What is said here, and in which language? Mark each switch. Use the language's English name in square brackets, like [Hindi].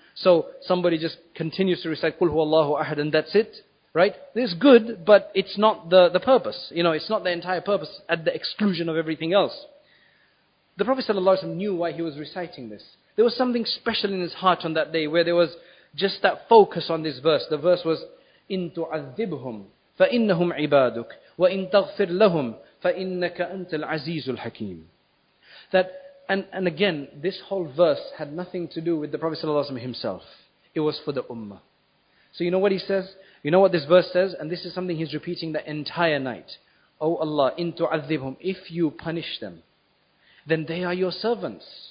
[English] So somebody just continues to recite Qul Huwallahu Ahad and that's it. Right? This is good, but it's not the purpose. You know, it's not the entire purpose at the exclusion of everything else. The Prophet sallallahu alaihi wasallam knew why he was reciting this. There was something special in his heart on that day where there was just that focus on this verse. The verse was, [Arabic] إِن تُعَذِّبْهُمْ فَإِنَّهُمْ عِبَادُكْ وَإِن تَغْفِرْ لَهُمْ فَإِنَّكَ أَنْتَ الْعَزِيزُ الْحَكِيمُ. [English] That, and again, this whole verse had nothing to do with the Prophet sallallahu alaihi wasallam himself. It was for the ummah. So you know what he says? You know what this verse says? And this is something he's repeating the entire night. Oh Allah, in tu'adhibhum, if you punish them, then they are your servants.